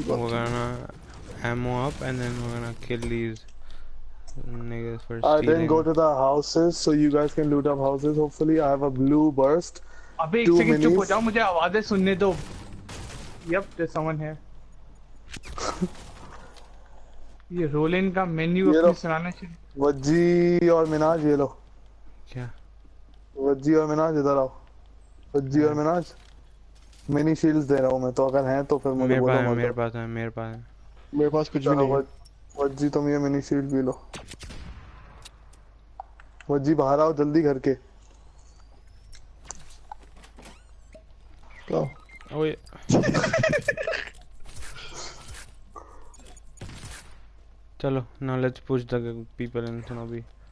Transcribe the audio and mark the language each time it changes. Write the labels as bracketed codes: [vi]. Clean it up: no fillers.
[en] We're button. Gonna ammo up and then we're gonna kill these niggas for stealing. I didn't go to the houses, so you guys can loot up houses. Hopefully, I have a blue burst. [hi] Abhi, [en] two minis. [hi] Chup ho jao, mujhe awaazein sunne do. [en] Yep, there's someone here. [hi] ये role in का menu अपने सुनाने चाहिए Vajji और मिनाज ये लो क्या Vajji और मिनाज इधर आओ Vajji और मिनाज मिनी शील्ड्स दे रहा हूँ मैं तो अगर हैं तो फिर मुझे बोलो मेरे पास है मेरे पास कुछ भी नहीं Vajji तुम ये मिनी शील्ड भी लो Vajji बाहर आओ जल्दी घर के क्या [en] ओए चलो now let's push the people in snobby